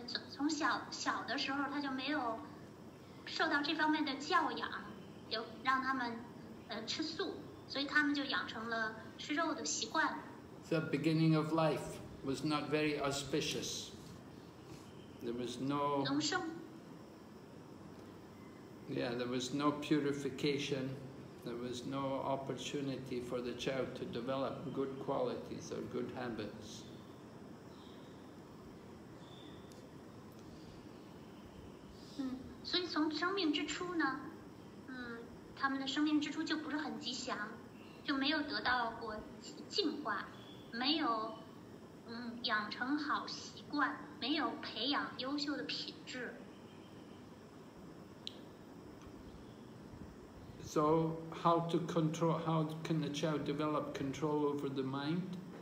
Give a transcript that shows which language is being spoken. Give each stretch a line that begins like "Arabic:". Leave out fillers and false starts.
Chinese: 从小的时候，他就没有受到这方面的教养，有让他们吃素，所以他们就养成了吃肉的习惯。
English: The beginning of life was not very auspicious. There was no.
Chinese: 农生。
English: Yeah, there was no purification. There was no opportunity for the child to develop good qualities or good habits.
Chinese: 所以从生命之初呢，他们的生命之初就不是很吉祥，就没有得到过净化，没有，养成好习惯，没有培养优秀的品质。
English: So, how to control, how can a child develop control over the mind?